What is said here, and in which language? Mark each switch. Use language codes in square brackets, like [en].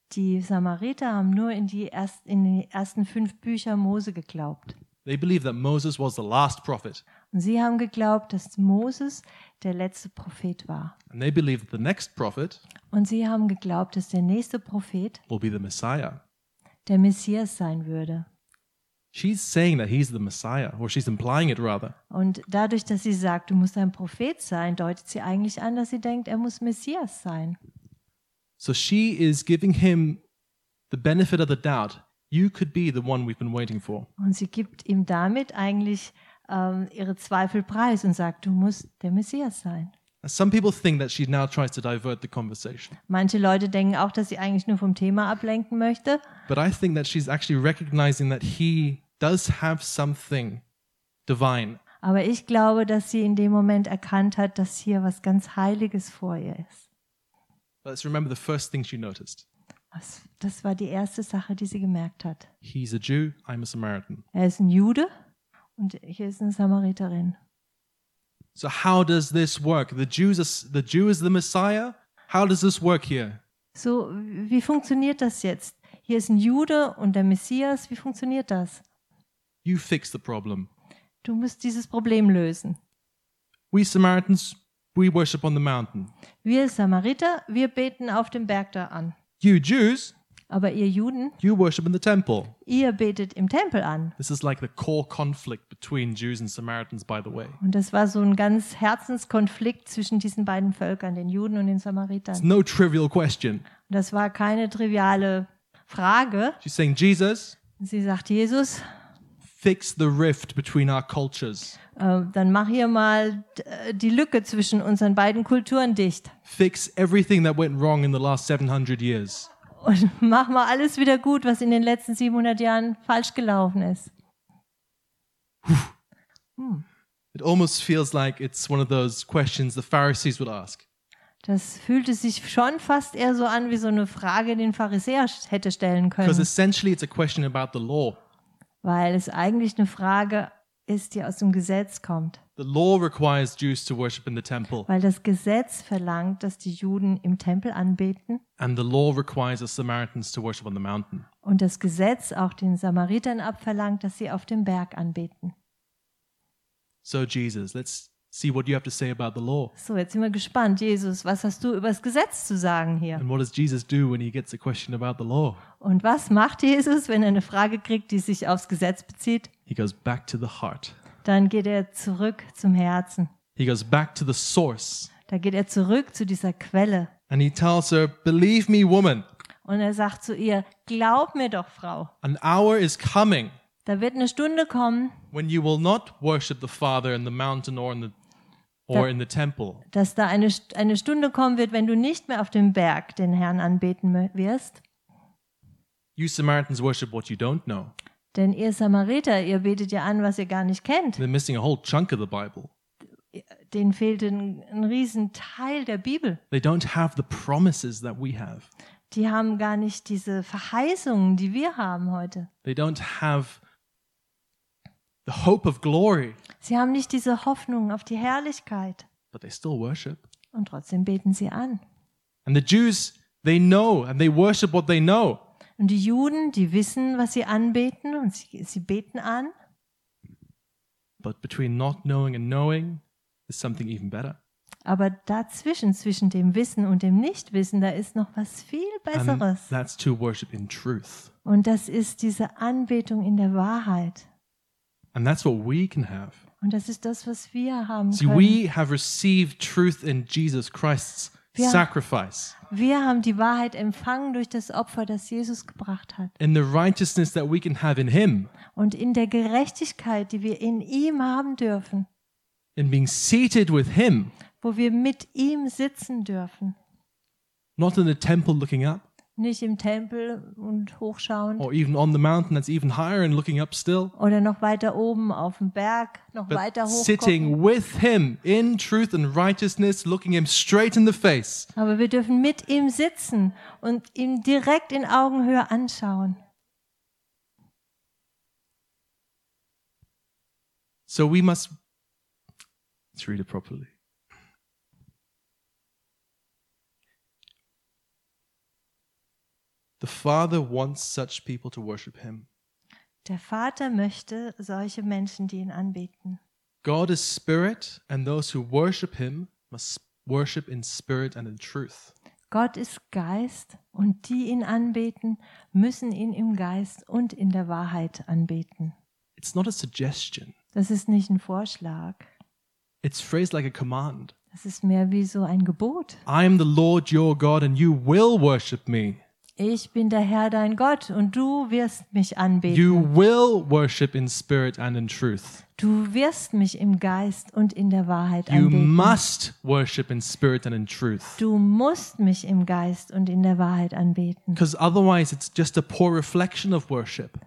[de] Die Samariter haben nur in die ersten 5 Bücher Mose geglaubt. [en] They believe that Moses was the last prophet. [de] Und sie haben geglaubt, dass Moses der letzte Prophet war. [en] And they believe that the next prophet [de] Und sie haben geglaubt, dass der nächste Prophet [en] will be the Messiah. [de] Der Messias sein würde. [en] She's saying that he's the Messiah, or she's implying it rather. [de] Und dadurch, dass sie sagt, du musst ein Prophet sein, deutet sie eigentlich an, dass sie denkt, er muss Messias sein. [en] So she is giving him the benefit of the doubt. You could be the one we've been waiting for. [de] Und sie gibt ihm damit eigentlich ihre Zweifel preis und sagt, du musst der Messias sein. [en] Some people think that she now tries to divert the conversation. [de] Manche Leute denken auch, dass sie eigentlich nur vom Thema ablenken möchte. [en] But I think that she's actually recognizing that he does have something divine. [de] Aber ich glaube, dass sie in dem Moment erkannt hat, dass hier was ganz Heiliges vor ihr ist. [en] Let's remember the first thing she noticed. [de] Das war die erste Sache, die sie gemerkt hat. [en] He's a Jew, I'm a Samaritan. [de] Er ist ein Jude und hier ist eine Samariterin. [en] So how does this work? The Jew is the Messiah? How does this work here? [de] So wie funktioniert das jetzt? Hier ist ein Jude und der Messias, wie funktioniert das? [en] You fix the problem. [de] Du musst dieses Problem lösen. [en] We Samaritans, we worship on the mountain. [de] Wir Samariter, wir beten auf dem Berg da an. [en] You Jews, [de] aber ihr Juden, [en] you worship in the temple. [de] Ihr betet im Tempel an. [en] This is like the core conflict between Jews and Samaritans, by the way. [de] Und das war so ein ganz Herzenskonflikt zwischen diesen beiden Völkern, den Juden und den Samaritern. [en] It's no trivial question. [de] Das war keine triviale Frage. [en] She's saying, Jesus, [de] sie sagt, Jesus, [en] fix the rift between our cultures. [de] Dann mach hier mal die Lücke zwischen unseren beiden Kulturen dicht. [en] Fix everything that went wrong in the last 700 years. [de] Und mach mal alles wieder gut, was in den letzten 700 Jahren falsch gelaufen ist. [en] It almost feels like it's one of those questions the Pharisees would ask. [de] Das fühlte sich schon fast eher so an, wie so eine Frage, den Pharisäer hätte stellen können. [en] Because essentially it's a question about the law. [de] Weil es eigentlich eine Frage ist, die aus dem Gesetz kommt. [en] The law requires Jews to worship in the temple. [de] Weil das Gesetz verlangt, dass die Juden im Tempel anbeten. [en] And the law requires the Samaritans to worship on the mountain. [de] Und das Gesetz auch den Samaritern abverlangt, dass sie auf dem Berg anbeten. [en] So Jesus, let's see what you have to say about the law. [de] So, jetzt sind wir gespannt, Jesus, was hast du über das Gesetz zu sagen hier? [en] And what does Jesus do when he gets a question about the law? [de] Und was macht Jesus, wenn er eine Frage kriegt, die sich aufs Gesetz bezieht? [en] He goes back to the heart. [de] Dann geht er zurück zum Herzen. [en] He goes back to the source. [de] Da geht er zurück zu dieser Quelle. [en] And he tells her, "Believe me, woman." [de] Und er sagt zu ihr, glaub mir doch, Frau. [en] An hour is coming. [de] Da wird eine Stunde kommen. [en] When you will not worship the Father in the mountain or in the temple. [de] Dass da eine Stunde kommen wird, wenn du nicht mehr auf dem Berg den Herrn anbeten wirst. [en] You Samaritans worship what you don't know. [de] Denn ihr Samariter, ihr betet ja an, was ihr gar nicht kennt. [en] They're missing a whole chunk of the Bible. [de] Denen fehlt ein riesen Teil der Bibel. [en] They don't have the promises that we have. [de] Die haben gar nicht diese Verheißungen, die wir haben heute. [en] They don't have the hope of glory. [de] Sie haben nicht diese Hoffnung auf die Herrlichkeit. [en] But they still worship. [de] Und trotzdem beten sie an. [en] And the Jews, they know and they worship what they know. [de] Und die Juden, die wissen, was sie anbeten und sie beten an. [en] But between not knowing and knowing is something even better. [de] Aber dazwischen, zwischen dem Wissen und dem Nichtwissen, da ist noch was viel Besseres. [en] And that's to worship in truth. [de] Und das ist diese Anbetung in der Wahrheit. [en] And that's what we can have. [de] Und das ist das, was wir haben können. [en] See, we have received truth in Jesus Christ's sacrifice. [de] Wir haben die Wahrheit empfangen durch das Opfer, das Jesus gebracht hat. [en] In the righteousness that we can have in him. [de] Und in der Gerechtigkeit, die wir in ihm haben dürfen. [en] In being seated with him. [de] Wo wir mit ihm sitzen dürfen. [en] Not in the temple looking up. [de] Nicht im Tempel und hochschauend. [en] Or even on the mountain that's even higher and looking up still. [de] Oder noch weiter oben auf dem Berg, noch [en] But [de] weiter hoch. [en] Sitting with him in truth and righteousness, looking him straight in the face. [de] Aber wir dürfen mit ihm sitzen und ihm direkt in Augenhöhe anschauen. [en] So we must let's read it properly. The Father wants such people to worship him. [de] Der Vater möchte solche Menschen, die ihn anbeten. [en] God is spirit and those who worship him must worship in spirit and in truth. [de] Gott ist Geist und die ihn anbeten, müssen ihn im Geist und in der Wahrheit anbeten. [en] It's not a suggestion. [de] Das ist nicht ein Vorschlag. [en] It's phrased like a command. [de] Das ist mehr wie so ein Gebot. [en] I am the Lord your God and you will worship me. [de] Ich bin der Herr dein Gott und du wirst mich anbeten. [en] You will worship in spirit and in truth. [de] Du wirst mich im Geist und in der Wahrheit [en] you [de] anbeten. [en] You must worship in spirit and in truth. [de] Du musst mich im Geist und in der Wahrheit anbeten. [en] Because otherwise it's just a poor reflection of worship.